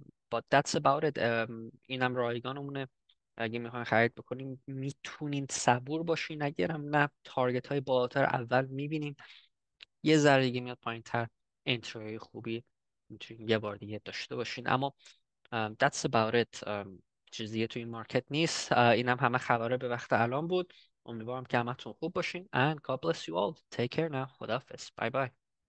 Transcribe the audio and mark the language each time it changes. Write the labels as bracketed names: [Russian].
[English] But that's about it. [Persian] اینم رایگانمونه، اگه میخواین خرید بکنیم میتونین صبور باشین، اگرم نه تارگت های بالاتر اول میبینین، یه ذره دیگه میاد پایین تر انتری خوبی میتونین یه بار دیگه داشته باشین. اما [English] that's about it. [Persian] چیزی توی این مارکت نیست. اینم همه خبره به وقت الان بود. امیدوارم که همتون خوب باشین [English] and God bless you all. Take care now. [Persian] خدافظ. [English] Bye bye.